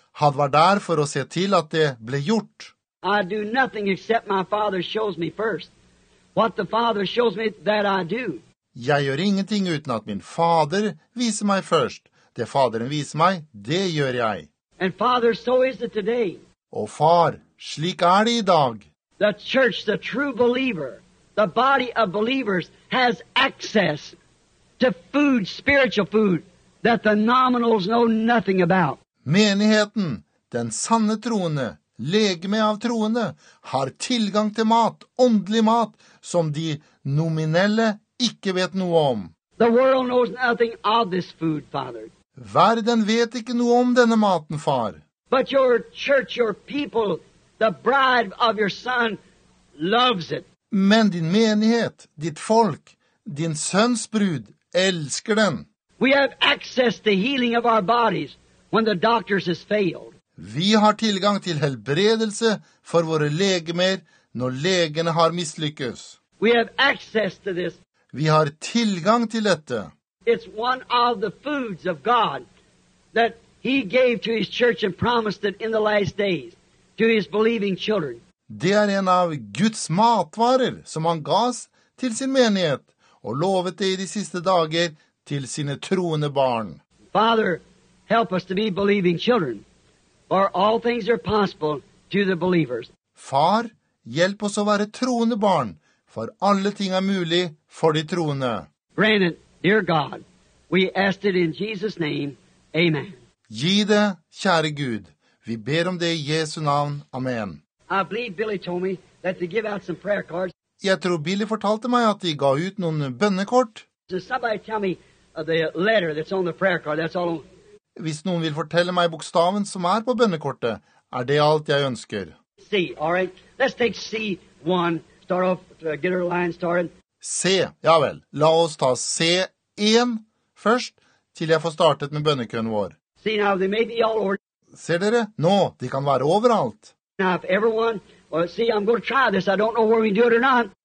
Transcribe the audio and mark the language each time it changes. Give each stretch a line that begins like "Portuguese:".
Norwegian: Han var der for å se til at det ble gjort.
English: I do nothing except my Father shows me first. What the Father shows me, that I do.
Norwegian: Jeg gjør ingenting uten at min fader viser meg først. Det faderen viser meg, det gjør jeg.
English: And father, so is it today.
Norwegian: Og far, slik det I dag.
English: The church, the true believer, the body of believers has access to food, spiritual food, that the nominals know nothing about.
Norwegian: Menigheten, den sanne troende, legeme av troende, har tilgang til mat, åndelig mat, som de nominelle ikke vet noe om.
English: The world knows nothing of this food, Father.
Norwegian: Verden vet ikke noe om denne maten, far.
English: But your church, your people, the bride of your son, loves it.
Norwegian: Men din menighet, ditt folk, din sønns brud, elsker den.
English: We have access to healing of our bodies when the doctors has failed.
Norwegian: Vi har tilgang til helbredelse for våre legemer når legene har mislykkes.
English: We have access to this.
Norwegian: Vi har tilgang til dette.
English: It's one of the foods of God that he gave to his church and promised it in the last days to his believing children.
Norwegian: Det en av Guds matvarer som han gav til sin menighet og lovet det I de siste dager til sine troende barn.
English: Father, help us to be believing children, for all things are possible to the believers.
Norwegian: Far, hjelp oss å være troende barn, for alle ting mulig for de troende.
English: Granted, dear God, we ask it in Jesus' name. Amen.
Norwegian: Gi det, kjære Gud. Vi ber om det I Jesu navn. Amen.
English: I believe Billy told me that they give out some prayer cards.
Norwegian: Jeg tror Billy fortalte meg at de ga ut noen bønnekort.
English: So somebody tell me the letter that's on the prayer card. That's all.
Norwegian: Hvis noen vil fortelle meg bokstaven som på bønnekortet, det alt jeg ønsker.
English: C, all right. Let's take C1. Start off, get our line started.
Norwegian: C, ja vel. La oss ta C1 først, til jeg får startet med bønnekøen vår.
English: See now, they may be all over.
Norwegian: Ser dere? Nå, de kan være overalt.
English: Now, if everyone, see, I'm going to try this. I don't know where we do it or not.